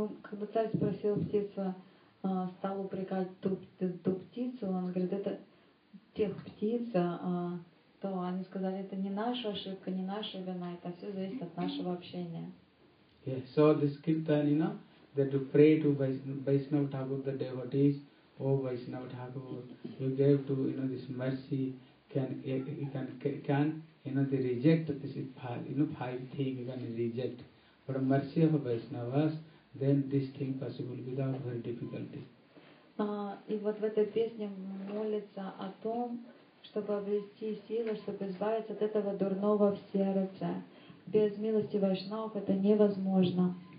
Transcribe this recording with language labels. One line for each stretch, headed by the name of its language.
Russian: Когда царь спросил птицу, стал упрекать ту птицу, он говорит, это тех птиц, то они сказали, это не наша ошибка, не наша вина, это все зависит от нашего общения.
English: Yeah, so this kirtan, you know, that to pray to Vaishnava Thakur, the devotees, oh Vaishnava Thakur, you gave to, you know, this mercy, can you know, they reject this, you know, five things, you can reject. But mercy of Vaishnavas, then this thing possible without very difficulty.
Russian: И вот в этой песне молится о том, чтобы обрести силы, чтобы избавиться от этого дурного в сердце. Без милости вайшнав это невозможно.